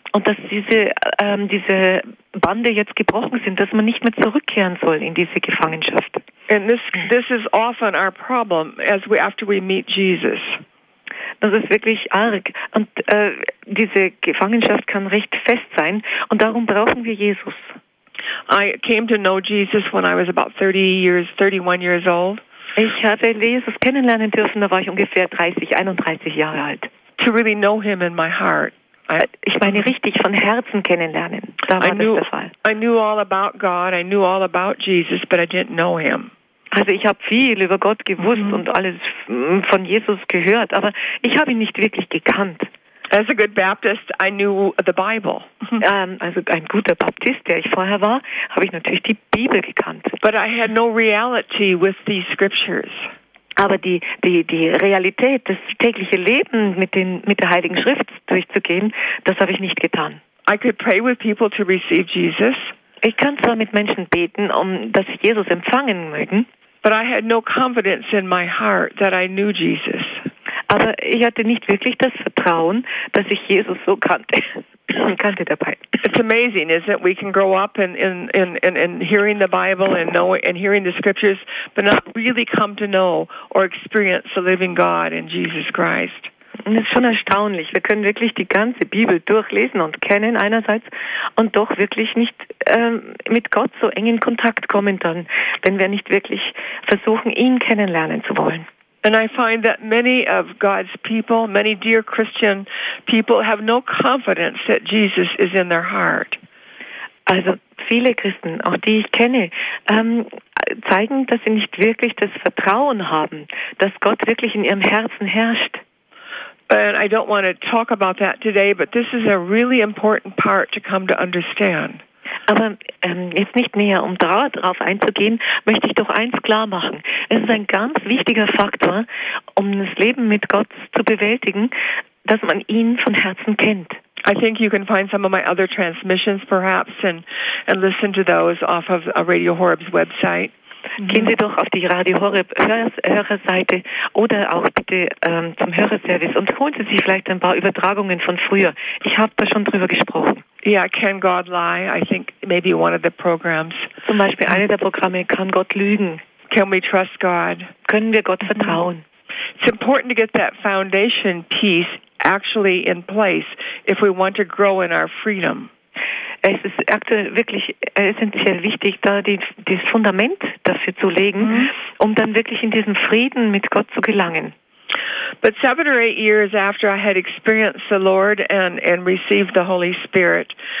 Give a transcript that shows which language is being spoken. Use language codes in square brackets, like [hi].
[de] Und dass diese Bande jetzt gebrochen sind, dass man nicht mehr zurückkehren soll in diese Gefangenschaft. [en] And this is often our problem after we meet Jesus. [de] Das ist wirklich arg. Und diese Gefangenschaft kann recht fest sein. Und darum brauchen wir Jesus. [en] I came to know Jesus when I was about 31 years old. [de] Ich habe Jesus kennenlernen dürfen, da war ich ungefähr 31 Jahre alt. [en] To really know him in my heart. [de] Ich meine richtig von Herzen kennenlernen. Da war das der Fall. [en] I knew all about God, I knew all about Jesus, but I didn't know him. [de] Also ich habe viel über Gott gewusst und alles von Jesus gehört, aber ich habe ihn nicht wirklich gekannt. [en] As a good Baptist, I knew the Bible. [de] Also ein guter Baptist, der ich vorher war, habe ich natürlich die Bibel gekannt. [en] But I had no reality with these scriptures. [de] Aber die Realität, das tägliche Leben mit der Heiligen Schrift durchzugehen, das habe ich nicht getan. [en] I could pray with people to receive Jesus. [de] Ich kann zwar mit Menschen beten, dass sie Jesus empfangen mögen. [en] But I had no confidence in my heart that I knew Jesus. [de] Aber ich hatte nicht wirklich das Vertrauen, dass ich Jesus so kannte. Kannte dabei. [en] It's amazing, isn't it? We can grow up in hearing the Bible and knowing and hearing the scriptures, but not really come to know or experience the living God in Jesus Christ. [de] Und es ist schon erstaunlich. Wir können wirklich die ganze Bibel durchlesen und kennen einerseits und doch wirklich nicht mit Gott so eng in Kontakt kommen dann, wenn wir nicht wirklich versuchen, ihn kennenlernen zu wollen. [en] And I find that many of God's people, many dear Christian people, have no confidence that Jesus is in their heart. [de] Also viele Christen, auch die ich kenne, zeigen, dass sie nicht wirklich das Vertrauen haben, dass Gott wirklich in ihrem Herzen herrscht. [en] And I don't want to talk about that today, but this is a really important part to come to understand. [de] Aber jetzt nicht näher, um darauf einzugehen, möchte ich doch eins klar machen. Es ist ein ganz wichtiger Faktor, um das Leben mit Gott zu bewältigen, dass man ihn von Herzen kennt. [en] I think you can find some of my other transmissions perhaps and listen to those off of Radio Horeb's website. [de] Gehen Sie doch auf die Radio Horeb Hörerseite oder auch bitte zum Hörerservice und holen Sie sich vielleicht ein paar Übertragungen von früher. Ich habe da schon drüber gesprochen. [en] Yeah, Can God Lie? I think maybe one of the programs. [de] Zum Beispiel eine der Programme, Kann Gott Lügen? [en] Can we trust God? [de] Können wir Gott vertrauen? [en] It's important to get that foundation piece actually in place if we want to grow in our freedom. [de] Es ist aktuell wirklich essentiell wichtig, da das Fundament dafür zu legen, um dann wirklich in diesen Frieden mit Gott zu gelangen. [en] But 7 or 8 years after I had experienced the Lord and received the Holy Spirit,